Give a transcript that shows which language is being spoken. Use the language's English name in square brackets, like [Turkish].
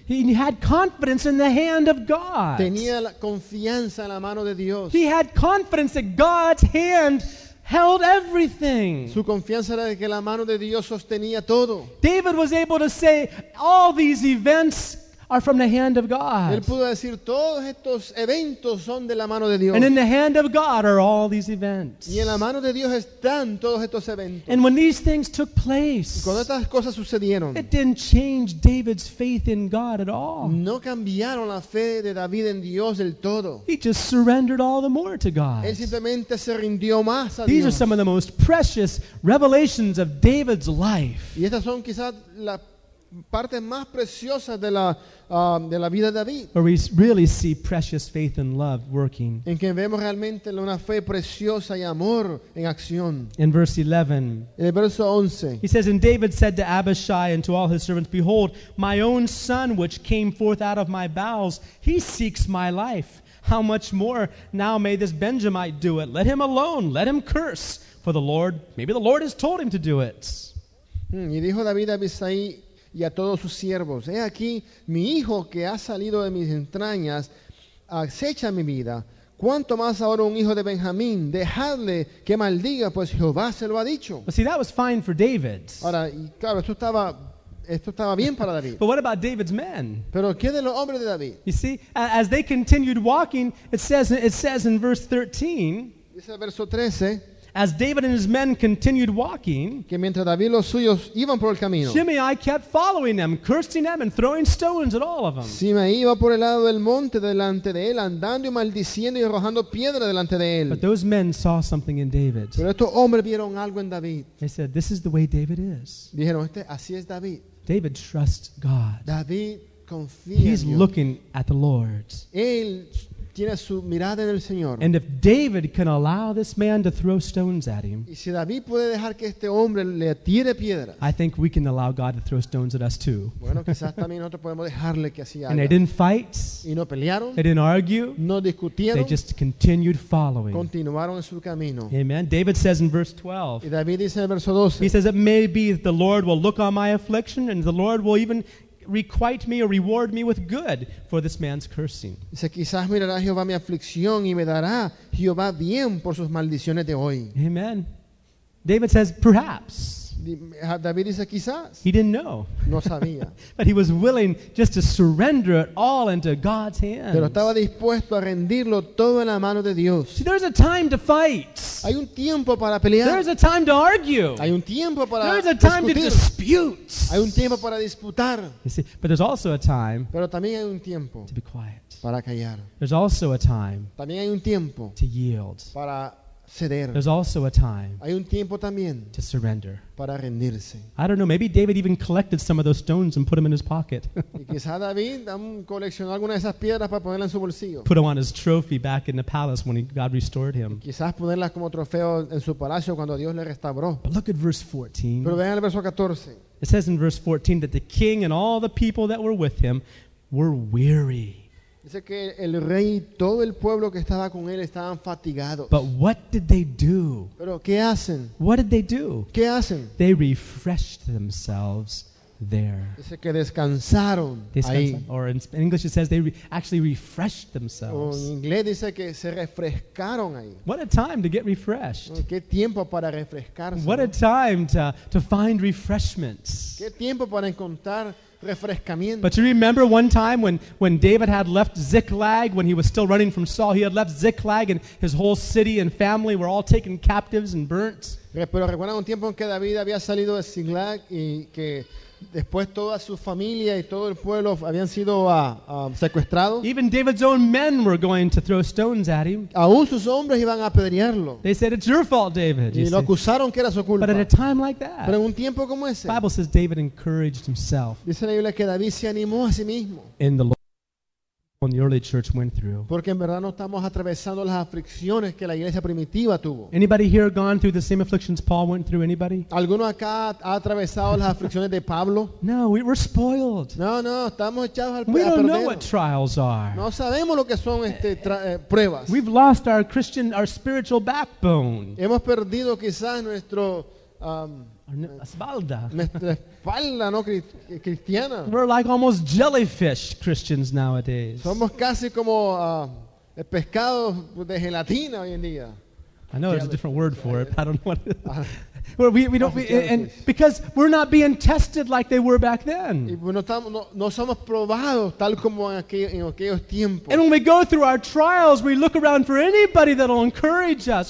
[English] He had confidence in the hand of God. [Spanish] Tenía la confianza en la mano de Dios. [English] He had confidence that God's hand held everything. [Spanish] Su confianza era de que la mano de Dios sostenía todo. [English] David was able to say, all these events are from the hand of God. [Spanish] Él pudo decir, todos estos eventos son de la mano de Dios. [English] And in the hand of God are all these events. [Spanish] Y en la mano de Dios están todos estos eventos. [English] And when these things took place, [Spanish] y cuando estas cosas sucedieron, [English] it didn't change David's faith in God at all. [Spanish] No cambiaron la fe de David en Dios del todo. [English] He just surrendered all the more to God. [Spanish] Él simplemente se rindió más a [English] these [Spanish] Dios. [English] Are some of the most precious revelations of David's life. [Spanish] Y estas son quizás la partes más preciosas de la vida de David. [English] Where we really see precious faith and love working. [Spanish] En que vemos realmente una fe preciosa y amor en acción. [English] In verse 11. [Spanish] En el verso 11. [English] He says, and David said to Abishai and to all his servants, behold, my own son which came forth out of my bowels, he seeks my life. How much more now may this Benjamite do it? Let him alone, let him curse. For the Lord, maybe the Lord has told him to do it. [Spanish] Y dijo David a Abishai, y a todos sus siervos, he aquí mi hijo que ha salido de mis entrañas acecha mi vida. ¿Cuánto más ahora un hijo de Benjamín? Dejadle que maldiga, pues Jehová se lo ha dicho. [English] But see, that was fine for David. [Spanish] Ahora, claro, esto estaba bien para David. [English] But what about David's men? [Spanish] Pero ¿qué de los hombres de David? [English] You see, as they continued walking, it says in verse 13. [Spanish] Dice el verso 13. [English] As David and his men continued walking, [Spanish] que mientras David y los suyos iban por el camino, [English] Shimei kept following them, cursing them and throwing stones at all of them. [Spanish] Shimei iba por el lado del monte delante de él, andando y maldiciendo y arrojando piedra delante de él. [English] But those men saw something in David. [Spanish] Pero estos hombres vieron algo en David. [English] They said, "This is the way David is." [Spanish] Dijeron, este, así es David. [English] David trusts God. [Spanish] David confía. [English] He's looking at the Lord. [Spanish] Él tiene su mirada en el Señor. [English] And if David can allow this man to throw stones at him, [Spanish] y si David puede dejar que este hombre le tire piedras, [English] I think we can allow God to throw stones at us too. [Spanish] Bueno, quizás también nosotros podemos dejarle que así haga. [English] And they didn't fight. [Spanish] Y no pelearon. [English] They didn't argue. [Spanish] No discutieron. [English] They just continued following. [Spanish] Continuaron en su camino. [English] Amen. David says in verse 12. [Spanish] Y David dice en el verso 12. [English] He says, "It may be that the Lord will look on my affliction, and the Lord will even requite me or reward me with good for this man's cursing." [Spanish] Dice, quizás mirará Jehová mi aflicción y me dará Jehová bien por sus maldiciones de hoy. [English] Amen. David says, perhaps. [Spanish] David dice, quizás. [English] He didn't know. [Spanish] No sabía. [English] But he was willing just to surrender it all into God's hands. [Spanish] Pero estaba dispuesto a rendirlo todo en la mano de Dios. [English] See, there's a time to fight. [Spanish] Hay un tiempo para pelear. [English] There's a time to argue. [Spanish] Hay un tiempo para discutir. [English] There's a time to dispute. [Spanish] Hay un tiempo para disputar. [English] You see, but there's also a time. [Spanish] Pero también hay un tiempo. [English] To be quiet. [Spanish] Para callar. [English] There's also a time. [Spanish] También hay un tiempo. [English] To yield. [Spanish] Para [English] there's also a time. [Spanish] Hay un tiempo también [English] to surrender. [Spanish] Para rendirse. [English] I don't know. Maybe David even collected some of those stones and put them in his pocket. [Spanish] Y quizá David coleccionó alguna de esas piedras para ponerlas en su bolsillo. [English] Put them on his trophy back in the palace when God restored him. [Spanish] Quizás ponerlas como trofeo en su palacio cuando Dios le restauró. [English] But look at verse 14. [Spanish] Pero vean el verso 14. [English] It says in verse 14 that the king and all the people that were with him were weary. [Spanish] Dice que el rey y todo el pueblo que estaba con él estaban fatigados. [English] But what did they do? [Spanish] ¿Pero qué hacen? [English] What did they do? [Spanish] ¿Qué hacen? [English] They refreshed themselves there. [Spanish] Dice que descansaron ahí. [English] Or in English it says they actually refreshed themselves. [Spanish] O en inglés dice que se refrescaron ahí. [English] What a time to get refreshed. [Spanish] ¿Qué tiempo para refrescarse? [English] What a time to find refreshments. [Spanish] ¿Qué tiempo para encontrar? [English] But you remember one time when David had left Ziklag, when he was still running from Saul, he had left Ziklag and his whole city and family were all taken captives and burnt. [Spanish] Pero recuerda un tiempo en que David había salido de Ziklag y que después toda su familia y todo el pueblo habían sido secuestrados. [English] Even David's own men were going to throw stones at him. [Spanish] Aún sus hombres iban a apedrearlo. [English] They said, "It's your fault, David." [Spanish] Y lo acusaron que era su culpa. [English] But at a time like that, [Spanish] pero en un tiempo como ese, [English] the Bible says David encouraged himself. [Spanish] Dice la Biblia que David se animó a sí mismo. [English] In the Lord. When the early church went through. [Spanish] Porque en verdad no estamos atravesando las aflicciones que la iglesia primitiva tuvo. [English] Anybody here gone through the same afflictions Paul went through? Anybody? [Spanish] ¿Alguno acá ha atravesado las aflicciones de Pablo? [English] No, we were spoiled. [Spanish] No, estamos echados al perdedor. [English] We don't know what trials are. [Spanish] No sabemos lo que son pruebas. [English] We've lost our Christian, our spiritual backbone. [Spanish] Hemos perdido quizás nuestro espalda. Nuestra espalda no cristiana. [English] We're like almost jellyfish Christians nowadays. [Spanish] Somos casi como pescados de gelatina hoy en día. [English] I know there's a different word for it, but I don't know what it is. Well, we don't, and because we're not being tested like they were back then. And when we go through our trials, we look around for anybody that will encourage us.